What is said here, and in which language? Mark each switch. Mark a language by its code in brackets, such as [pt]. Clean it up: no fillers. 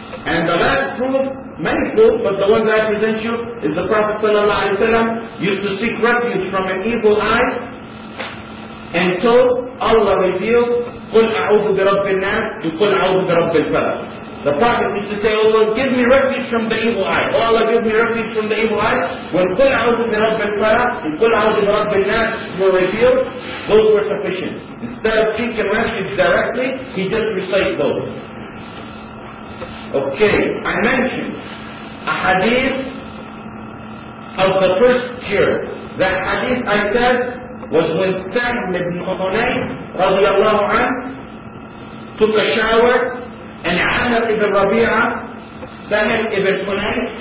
[en] And the last proof, many proofs, but the one that I present you is the Prophet used to seek refuge from an evil eye until Allah revealed, [ar] قُلْ أَعُوذُ بِرَبِّ النَّاسِ وَقُلْ أَعُوذُ بِرَبِّ الْفَلَقِ. [en] The Prophet used to say, oh Lord, give me refuge from the evil eye. Oh Allah, give me refuge from the evil eye. When [ar] قُلْ أَعُوذُ بِرَبِّ الْفَلَقِ [en] and [ar] قُلْ أَعُوذُ بِرَبِّ النَّاسِ [en] were revealed, those were sufficient. Instead of seeking refuge directly, he just recited those. Okay, I mentioned a hadith of the first year. That hadith, I said, was when Sa'd ibn Hunayn radiallahu anhu took a shower, and Amr ibn Rabi'ah, Sa'd ibn Hunayn,